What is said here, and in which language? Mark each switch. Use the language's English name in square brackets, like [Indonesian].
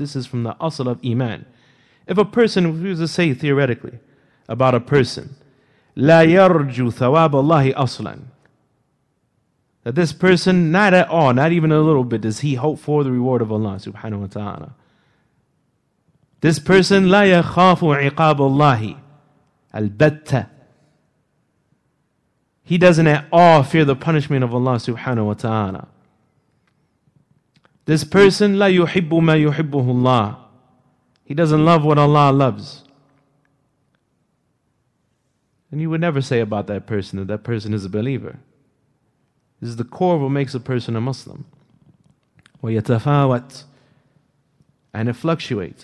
[English] This is from the asl of iman. If a person, if we were to say theoretically about a person, [Arabic] la yarju thawab Allahi aslan, [English] that this person, not at all, not even a little bit, does he hope for the reward of Allah subhanahu wa ta'ala. [Arabic] This person, لا يخاف عقاب الله البتة. [English] He doesn't at all fear the punishment of Allah subhanahu wa ta'ala. [Arabic] This person, لا يحب ما يحبه الله. [English] He doesn't love what Allah loves. And you would never say about that person is a believer. This is the core of what makes a person a Muslim. وَيَتَفَاوَتْ And it fluctuates.